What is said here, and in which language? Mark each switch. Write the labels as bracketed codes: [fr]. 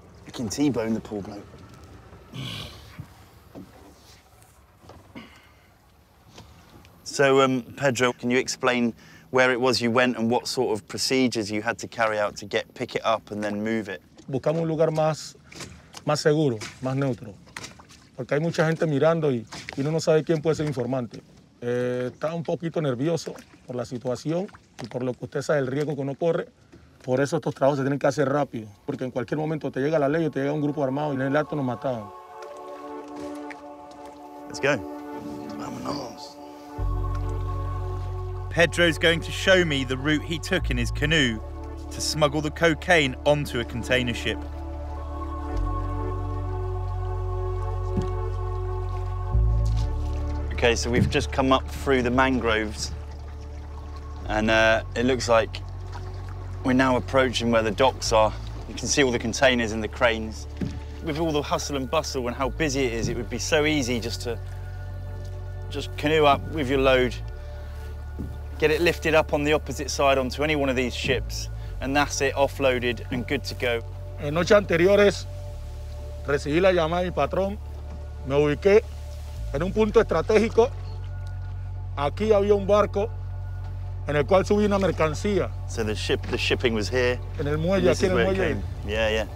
[en] You can T-bone the poor bloke. So, Pedro, can you explain where it was you went and what sort of procedures you had to carry out to pick it up and then move it? [es] Buscamos un lugar más seguro, más neutro. Porque hay mucha gente mirando y uno no sabe quién puede ser informante. Estaba un poquito nervioso por la situación y por lo que usted sabe, el riesgo que uno corre. Por eso estos trabajos se tienen que hacer rápido, porque en cualquier momento te llega la ley o te llega un grupo armado y en el acto nos mataban. [en] Let's go. [es] Vámonos. [en] Pedro's going to show me the route he took in his canoe to smuggle the cocaine onto a container ship. Okay, so we've just come up through the mangroves and it looks like we're now approaching where the docks are. You can see all the containers and the cranes. With all the hustle and bustle and how busy it is, it would be so easy just to just canoe up with your load, get it lifted up on the opposite side onto any one of these ships, and that's it, offloaded and good to go. [es] En noches anteriores, recibí la llamada de mi patrón, me ubiqué. En un punto estratégico, aquí había un barco en el cual subía una mercancía. [en] So the shipping was here. [es] En el muelle, aquí en el muelle. [en] Yeah.